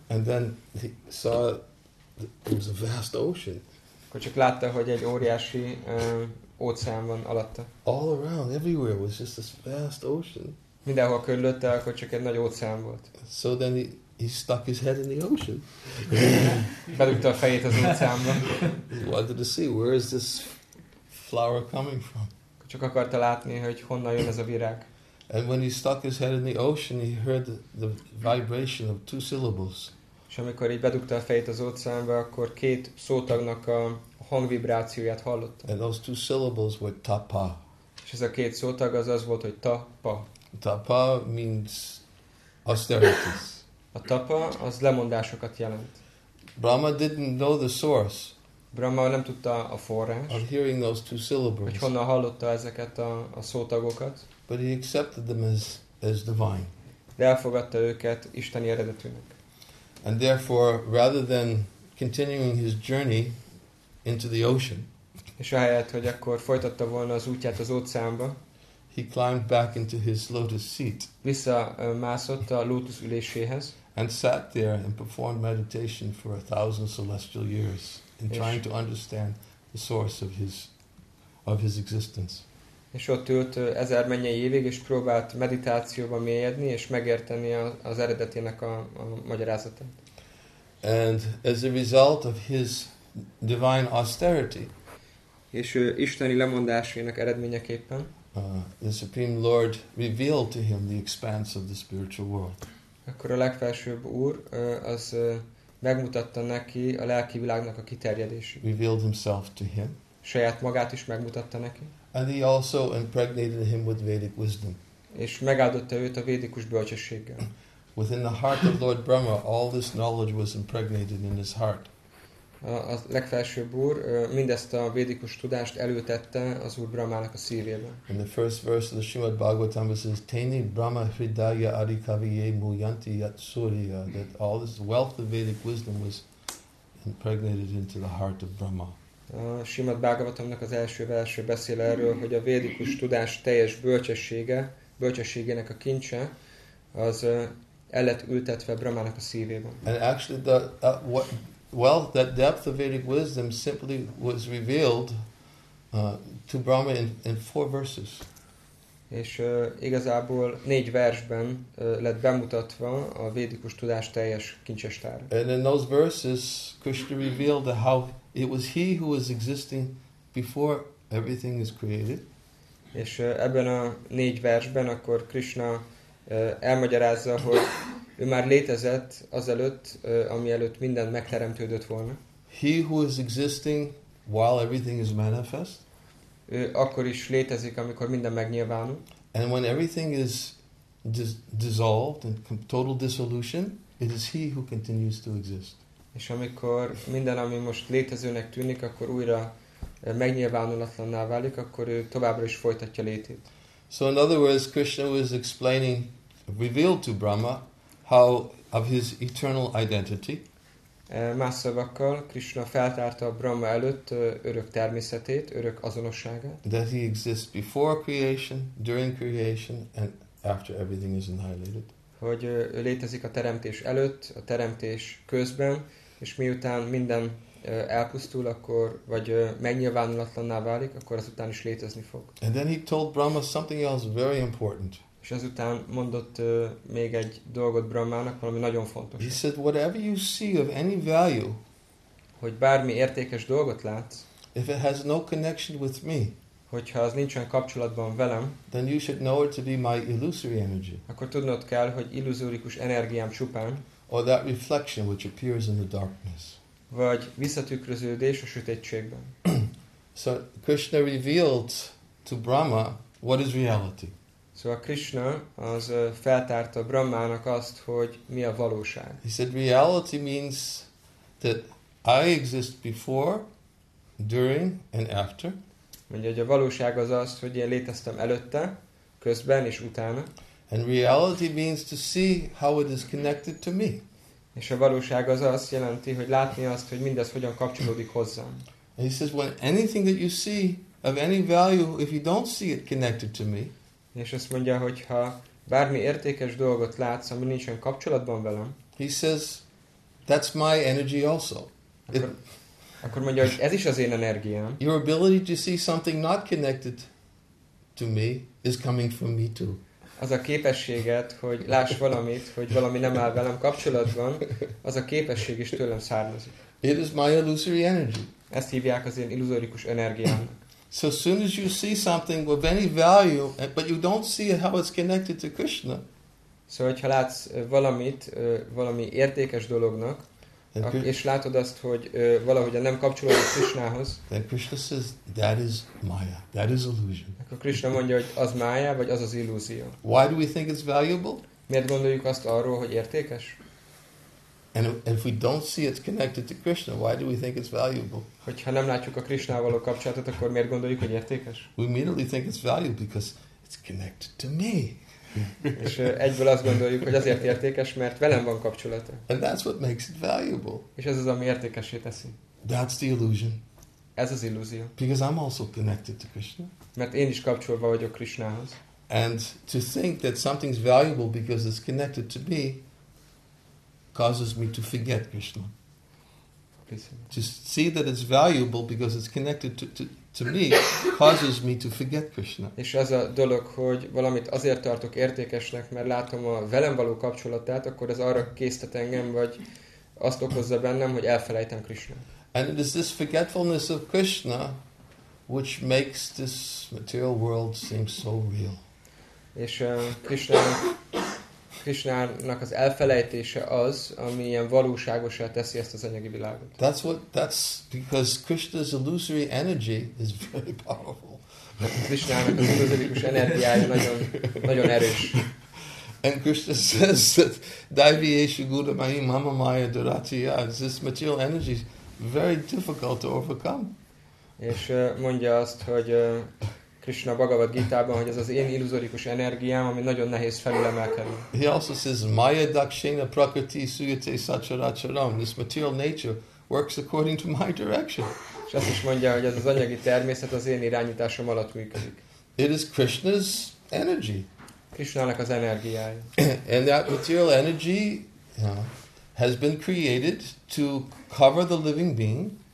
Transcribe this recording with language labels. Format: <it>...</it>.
<en>And then he saw it was a vast ocean.</en> <hu>Akkor csak látta, hogy egy óriási óceán van alatta.</hu> <en>All around, everywhere was just this vast ocean.</en> <hu>Mindenhol körülötte, akkor csak egy nagy óceán volt.</hu> <en>So then he stuck his head in the ocean.</en> <hu>Bedugta a fejét az óceánba.</hu> <en>He wanted to see, where is this flower coming from?</en> <hu>Csak akarta látni, hogy honnan jön ez a virág.</hu> <en>And when he stuck his head in the ocean, he heard the vibration of two syllables.</en> <hu>És amikor így bedugta a fejét az óceánba, akkor két szótagnak a hangvibrációját hallotta.</hu> <en>And those two syllables were tapa.</en> <hu>És ez a két szótag az volt, hogy tapa.</hu> <en>Tapa means austerity.</en> <hu>A tapa az lemondásokat jelent.</hu> <en>Brahma didn't know the source.</en> <hu>Brahma nem tudta a forrás.</hu> <en>Of hearing those two syllables.</en> <hu>Hogy honnan hallotta ezeket a szótagokat.</hu> <en>But he accepted them as divine.</en> <hu>De elfogadta őket isteni eredetűnek.</hu> <en>And therefore, rather than continuing his journey into the ocean.</en> <hu>És ahelyett, hogy akkor folytatta volna az útját az óceánba.</hu> <en>He climbed back into his lotus seat.</en> <hu>Visszamászott a lótusz üléséhez.</hu> <en>And sat there and performed meditation for 1,000 celestial years in trying to understand the source of his existence.</en> <hu>És ott ült 1000 mennyei évig, és próbált meditációba mélyedni és megérteni az eredetének a magyarázatát.</hu> <en>And as a result of his divine austerity,</en> <hu>és isteni lemondásainak eredményeképpen,</hu> <en>the Supreme Lord revealed to him the expanse of the spiritual world.</en> <hu>Akkor a legfelsőbb úr az megmutatta neki a lelki világnak a kiterjedését.</hu> <en>Revealed himself to him.</en> <hu>Saját magát is megmutatta neki.</hu> <en>And he also impregnated him with Vedic wisdom.</en> <hu>És megáldotta őt a védikus bölcsességgel.</hu> <en>Within the heart of Lord Brahma, all this knowledge was impregnated in his heart.</en> <hu>A legfelsőbb úr mindezt a védikus tudást előtette az úr Brahmának a szívébe.</hu> <en>In the first verse of the Srimad Bhagavatam it says,</en> <sa>Teni Brahma Hridaya Adikaviye Muyanti Yat Surya,</sa> <en>that all this wealth of Vedic wisdom was impregnated into the heart of Brahma.</en> <hu>A Srimad Bhagavatamnak az első verse beszél erről, hogy a védikus tudás teljes bölcsességének a kincse, az el lett ültetve Brahmának a szívében.</hu> <en>And actually that depth of Vedic wisdom simply was revealed to Brahma in 4 verses.</en> <hu>És igazából 4 versben lett bemutatva a védikus tudás teljes kincsestára.</hu> <en>And in those verses, Krishna revealed how it was he who was existing before everything is created.</en> <hu>És ebben a 4 versben akkor Krishna elmagyarázza, hogy ő már létezett azelőtt, amielőtt minden megteremtődött volna.</hu> <en>He who is existing while everything is manifest.</en> <hu>Ő akkor is létezik, amikor minden megnyilvánul.</hu> <en>And when everything is dissolved and total dissolution, it is he who continues to exist.</en> <hu>És amikor minden, ami most létezőnek tűnik, akkor újra megnyilvánulatlanná válik, akkor ő továbbra is folytatja létét.</hu> <en>So in other words, Krishna was explaining, revealed to Brahma, how of his eternal identity.</en> <hu>Más szavakkal, Krishna feltárta a Brahma előtt örök természetét, örök azonosságát.</hu> <en>That he exists before creation, during creation, and after everything is annihilated.</en> <hu>Hogy ő létezik a teremtés előtt, a teremtés közben, és miután minden elpusztul, akkor vagy megnyilvánulatlanná válik, akkor azután is létezni fog.</hu> <en>And then he told Brahma something else very important.</en> <hu>És ezután mondott még egy dolgot Brahmának, valami nagyon fontos.</hu> <en>He said, whatever you see of any value,</en> <hu>hogy bármi értékes dolgot látsz,</hu> <en>if it has no connection with me,</en> <hu>hogyha az nincsen kapcsolatban velem,</hu> <en>then you should know it to be my illusory energy.</en> <hu>Akkor tudnod kell, hogy illuzórikus energiám csupán,</hu> <en>or that reflection which appears in the darkness.</en> <hu>Vagy visszatükröződés a sötétségben.</hu> <en>So Krishna revealed to Brahma what is reality.</en> <hu>Szóval Krishna az feltárta Brahmának azt, hogy mi a valóság.</hu> <en>He said reality means that I exist before, during and after.</en> <hu>Mondja, hogy a valóság az azt, hogy én léteztem előtte, közben és utána.</hu> <en>And reality means to see how it is connected to me.</en> <hu>És a valóság az azt jelenti, hogy látni azt, hogy mindez hogyan kapcsolódik hozzám.</hu> <en>He says, "When anything that you see of any value, if you don't see it connected to me."</en> <hu>És azt mondja, hogy ha bármi értékes dolgot látsz, ami nincsen kapcsolatban velem.</hu> <en>He says, "That's my energy also."</en> <hu>Akkor mondja, hogy ez is az én energiám.</hu> <en>Your ability to see something not connected to me is coming from me too.</en> <hu>Az a képességet, hogy láss valamit, hogy valami nem áll velem kapcsolatban, az a képesség is tőlem származik.</hu> <en>It is my illusory energy.</en> <hu>Ezt hívják az én illuzórikus energiámnak.</hu> <en>So as soon as you see something with any value, but you don't see how it's connected to Krishna.</en> <hu>So, hogyha látsz valamit, valami értékes dolognak, és látod azt, hogy valahogyan nem kapcsolódik Krishnához.</hu> <en>Then Krishna says, that is maya, that is illusion.</en> <hu>Akkor Krishna mondja, hogy az mája, vagy az az illúzió.</hu> <en>Why do we think it's valuable?</en> <hu>Miért gondoljuk azt arról, hogy értékes?</hu> <en>And if we don't see it's connected to Krishna, why do we think it's valuable?</en> <hu>Hogyha nem látjuk a Krishnával való kapcsolatot, akkor miért gondoljuk, hogy értékes?</hu> <en>We immediately think it's valuable because it's connected to me.</en> <hu>És egyből azt gondoljuk, hogy azért értékes, mert velem van kapcsolata.</hu> <en>And that's what makes it valuable.</en> <hu>És ez az, ami értékessé teszi.</hu> <en>That's the illusion.</en> <hu>Ez az illúzió.</hu> <en>Because I'm also connected to Krishna.</en> <hu>Mert én is kapcsolva vagyok Krishnához.</hu> <en>And to think that something's valuable because it's connected to me causes me to forget Krishna. To see that it's valuable because it's connected to me causes me to forget Krishna.</en> <hu>És az a dolog, hogy valamit azért tartok értékesnek, mert látom a velem való kapcsolatát, akkor ez arra késztet engem, vagy azt okozza bennem, hogy elfelejtem Krishna.</hu> <en>And it is this forgetfulness of Krishna which makes this material world seem so real.</en> <hu>És Krishnának az elfelejtése az, ami ilyen valóságosá teszi ezt az anyagi világot.</hu> <en>That's because Krishna's illusory energy is very powerful.</en> <hu>Krishnának az illusorikus energiája nagyon erős.</hu> <en>And Krishna says that</en> <sa>Daivyeshu Gudamahi Mama Maya Duratiya,</sa> <en>this material energy is very difficult to overcome.</en> <hu>És mondja azt, hogy Krishna Bhagavad Gita-ban, hogy ez az én illuzorikus energiám, ami nagyon nehéz felülemelkedni.</hu> <en>He also says,</en> <sa>Maya Dakshina Prakriti Suyate Sacharacharam.</sa> <en>This material nature works according to my direction.</en> <hu>És azt is mondja, hogy ez az anyagi természet az én irányításom alatt működik.</hu> <en>It is Krishna's energy.</en> <hu>Krishna-nak az energiája.</hu> <en>And that material energy has been created to cover the living being.</en>